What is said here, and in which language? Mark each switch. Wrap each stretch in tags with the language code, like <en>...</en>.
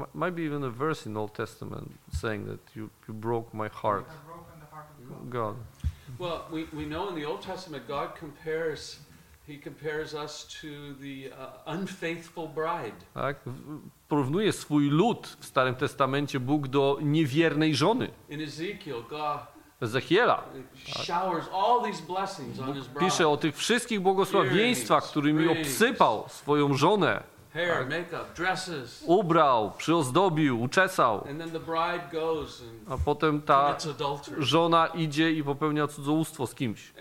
<en>might be even a verse in the Old Testament saying that you broke my heart. God. Well, we know in the Old Testament God compares. He compares us to the unfaithful bride.</en> <pl>Tak, porównuje swój lud w Starym Testamencie Bóg do niewiernej żony.</pl> <en>In Ezekiel, God</en> <pl>Ezechiela,</pl> <en>showers all these blessings on his bride.</en> <pl>Pisze o tych wszystkich błogosławieństwach, którymi obsypał swoją żonę.</pl> <en>Hair, makeup, dresses.</en> <pl>Ubrał, przyozdobił, uczesał.</pl> <en>And then the bride goes and</en> <pl>a potem ta żona idzie i popełnia cudzołóstwo z kimś.</pl>